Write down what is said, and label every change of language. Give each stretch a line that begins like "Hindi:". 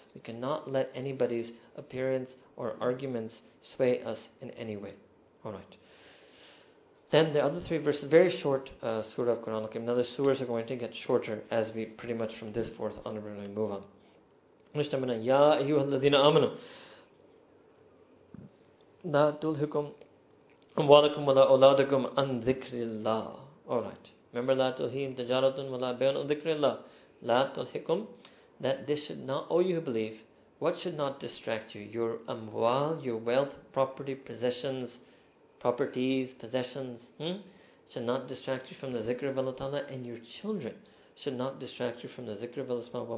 English: We cannot let anybody's appearance or arguments sway us in any way. Alright. Then the other three verses, very short surah of Quran. Okay, now the surahs are going to get shorter as we pretty much from this forth on and we move on.
Arabic: Ya ayyuhal ladhina amanu. لا تلهكم أموالكم ولا أولادكم عن ذكر الله.
English: Alright. Remember,
Arabic: لا تلهكم تجارة ولا بيع عن ذكر الله. لا تلهكم.
English: That this should not, all you who believe, what should not distract you? Your amwal, your wealth, property, possessions, should not distract you from the zikr of Allah Ta'ala, and your children should not distract you from the zikr of Allah Ta'ala.